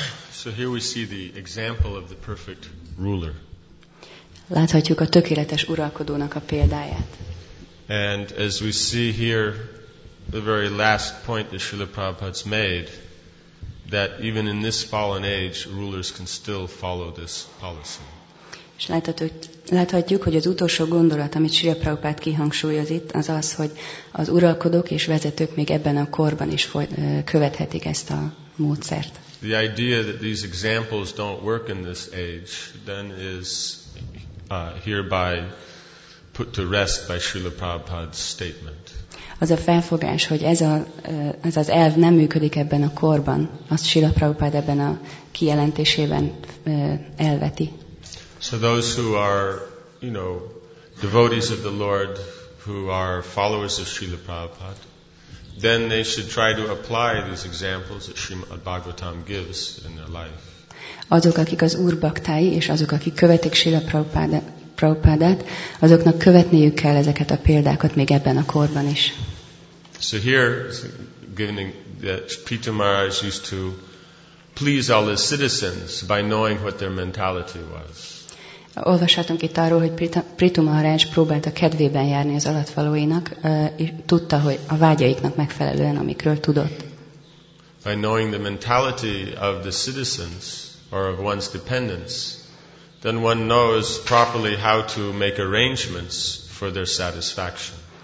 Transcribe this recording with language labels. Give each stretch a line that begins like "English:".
English: So here we see the example of the perfect ruler.
Hungarian: Láthatjuk a tökéletes uralkodónak a példáját.
English: And as we see here, the very last point that Srila Prabhupada's made, that even in this fallen age, rulers can still follow this policy.
Hungarian: És láthatjuk, hogy az utolsó gondolat, amit Srila Prabhupada kihangsúlyoz itt, az az, hogy az uralkodók és vezetők még ebben a korban is követhetik ezt a módszert.
English: The idea that these examples don't work in this age, then is hereby put to rest by Srila Prabhupada's statement.
Hungarian: Az a felfogás, hogy ez az elv nem működik ebben a korban, azt Srila Prabhupada ebben a kijelentésében elveti.
English: So those who are, you know, devotees of the Lord, who are followers of Srila Prabhupada, then they should try to apply these examples that Srimad Bhagavatam gives in their life.
Hungarian: Azok, akik az Úr baktái, és azok, akik követik Srila Prabhupádát, azoknak követniük kell ezeket a példákat még ebben a korban is.
English: So here, given that Prithu Maharaj used to please all his citizens by knowing what their mentality was.
Hungarian: Olvashatunk itt arról, hogy Prithu Maharaj próbált a kedvében járni az alattvalóinak, és tudta, hogy a vágyaiknak megfelelően, amikről tudott.
English: By knowing the mentality of the citizens or of one's dependents, then one knows properly how to make arrangements for their satisfaction.